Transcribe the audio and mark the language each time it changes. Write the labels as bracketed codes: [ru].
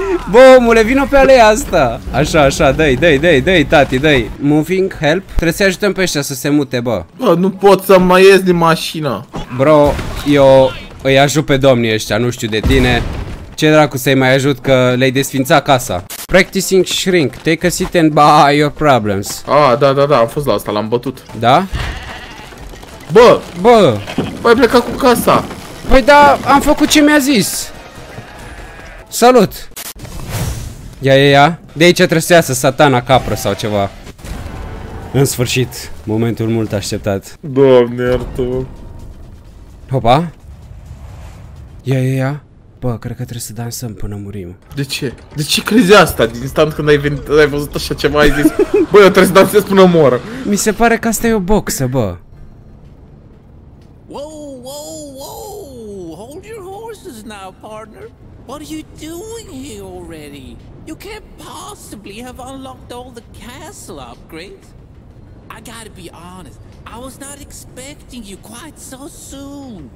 [ro] Bă, omule, vino pe aleea asta. Așa, așa, dă-i, dă-i, dă-i, dă-i, tati, dă-i. [en] Moving, help. [ro] Trebuie să-i ajutăm pe ăștia să se mute, bă. Bă, nu pot să mai ies din mașină. Bro, eu îi ajut pe domnii ăștia, nu știu de tine. Ce dracu să-i mai ajut că le-ai desfințat casa. [en] Practicing shrink, take a seat and buy your problems. [ro] Ah, da, da, da, am fost la asta, l-am bătut. Da? Bă! Bă! Păi pleca cu casa. Păi da, am făcut ce mi-a zis. Salut! Ia, ia, ia. De aici trebuie să iasă satana capră sau ceva. În sfârșit, momentul mult așteptat. Doamne, iartă. Hopa. Ia, ia, ia. Bă, cred că trebuie să dansăm până murim. De ce? De ce crezi asta? Din instant când ai venit, ai văzut așa ceva, ai zis bă, eu trebuie să dansez până mor. Mi se pare că asta e o boxă, bă. [en] Whoa, whoa, whoa. Hold your horses now, partner. What are you doing here already? You can't possibly have unlocked all the castle upgrades. I gotta be honest, I was not expecting you quite so soon.